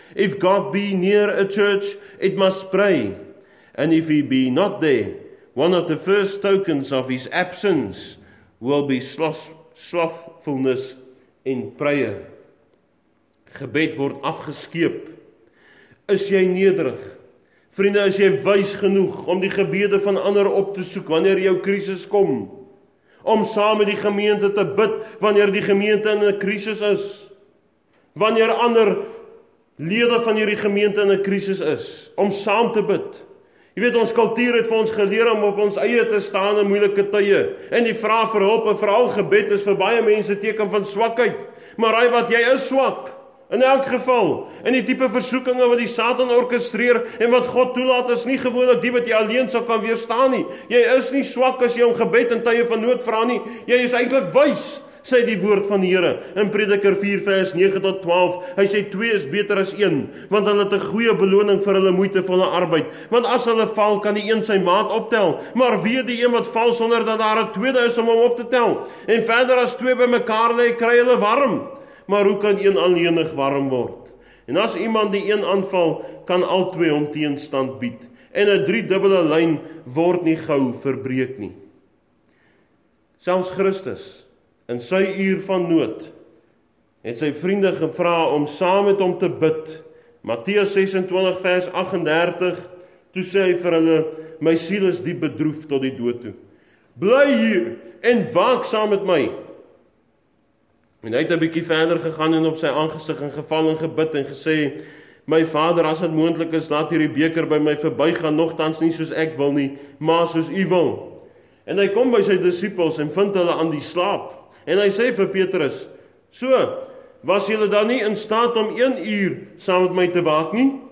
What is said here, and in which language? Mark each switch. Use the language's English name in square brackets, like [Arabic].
[English] If God be near a church, it must pray, and if he be not there, one of the first tokens of his absence will be slothfulness in prayer. [Afrikaans] Gebed word afgeskeep. Is jy nederig? Vriende, is jy wys genoeg om die gebede van ander op te soek wanneer jou krisis kom? Om saam met die gemeente te bid wanneer die gemeente in 'n krisis is? Wanneer ander lede van hierdie gemeente in 'n krisis is? Om saam te bid? Jy weet, ons kultuur het vir ons geleer om op ons eie te staan in moeilike tye. En die vraag vir hulp en vooral gebed is vir baie mense teken van swakheid. Maar raai wat, jy is swak. In elk geval, in die type versoekinge wat die Satan orkestreer en wat God toelaat, is nie gewoonlik die wat jy alleen sal kan weerstaan nie. Jy is nie swak as jy om gebed in tye van nood vra nie. Jy is eintlik wys, sê die woord van die Here in Prediker 4 vers 9-12. Hy sê, twee is beter as een, want hulle het 'n goeie beloning vir hulle moeite, vir hulle arbeid. Want as hulle val, kan die een sy maat optel. Maar wie die een wat val sonder dat daar 'n tweede is om hom op te tel? En verder as twee by mekaar lê, kry hulle warm. Maar hoe kan een alleenig warm word? En as iemand die een aanval, kan al twee hom teenstand bied. En 'n driedubbele lyn word nie gou verbreek nie. Selfs Christus, in sy uur van nood, het sy vriende gevra om saam met hom te bid. Matteus 26 vers 38, toe sê hy vir hulle, "My siel is diep bedroef tot die dood toe. Bly hier en waak saam met my." En hy het 'n bietjie verder gegaan en op sy aangesig en geval en gebid en gesê, "My Vader, as dit moontlik is, laat hierdie beker by my verbygaan, nogtans nie soos ek wil nie, maar soos u wil." En hy kom by sy disippels en vind hulle aan die slaap. En hy sê vir Petrus, "So, Was julle dan nie in staat om 1 uur saam met my te waak nie?